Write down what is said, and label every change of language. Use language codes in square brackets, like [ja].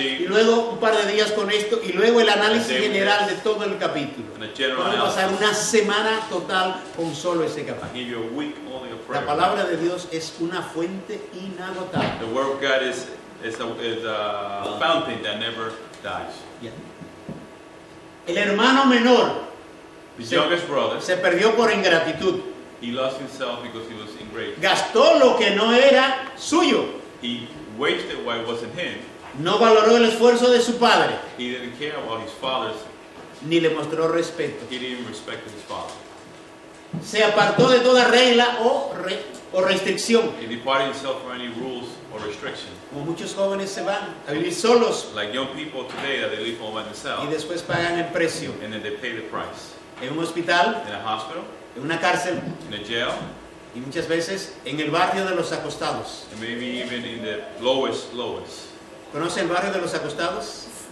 [es] y luego un par de días con esto, y luego el análisis general de todo el capítulo. Puedo pasar una semana total con solo ese capítulo. La palabra de Dios es una fuente inagotable. [en] The word of God is a fountain that never dies. [es] Yeah. El hermano menor, [en] the youngest brother, [es] se perdió por ingratitud. [en] He lost himself because he was ingrate. [es] Gastó lo que no era suyo. [en] He wasted what wasn't him. [es] No valoró el esfuerzo de su padre. [en] He didn't care about his father's. [es] Ni le mostró respeto. [en] He didn't respect his father. [es] Se apartó de toda regla o restricción. [en] He departed himself from any rules or restriction. [es] Como muchos jóvenes se van a vivir solos. [en] Like young people today that they live all by themselves. [es] Y después pagan el precio. [en] And then they pay the price. [es] En un hospital. [en] In a hospital. [es] En una cárcel. [en] In a jail. [es] Y muchas veces en el barrio de los acostados. [en] And maybe even in the lowest. [es] ¿Conoce el barrio de los acostados?